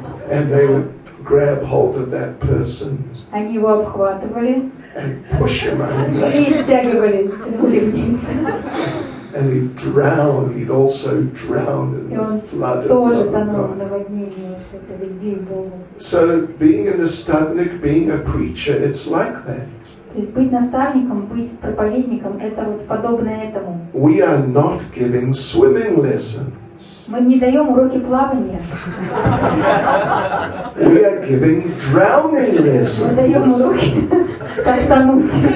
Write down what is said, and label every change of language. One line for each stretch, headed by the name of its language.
English: And they would grab hold of that person.
Russian: Они его обхватывали.
English: And push him under.
Russian: И стягивали, тянули вниз.
English: And he'd drown. He'd also drown in the flood of love God. So being a nastavnik, being a preacher, it's like that.
Russian: То есть быть наставником, быть проповедником, это вот подобно этому.
English: We are not giving swimming lessons.
Russian: Мы не даем уроки плавания.
English: We are giving drowning lessons.
Russian: Мы даем уроки, как тонуть.